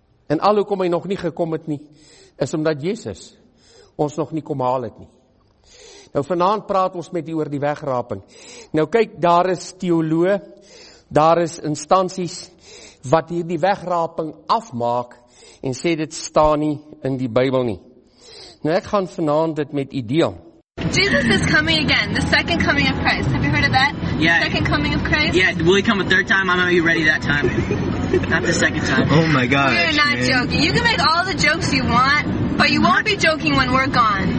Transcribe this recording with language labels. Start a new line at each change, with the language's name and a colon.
Afrikaans: En alhoekom hy nog nie gekom het nie, is omdat Jesus ons nog nie kom haal het nie. Nou vanaand praat ons met u oor die wegraping. Nou kyk, daar is teoloë, daar is instansies wat hier die wegraping afmaak en sê dit staan nie in die Bybel nie. Nou ek gaan vanaand dit met u deel.
English: Jesus is coming again, the second coming of Christ. Have you heard of that? Yeah. The second coming of Christ? Yeah, will he come a third time? I'm gonna be ready that time. Not the second time. Oh my God. You're not man. Joking. You can make all the jokes you want, but you won't be joking when we're gone.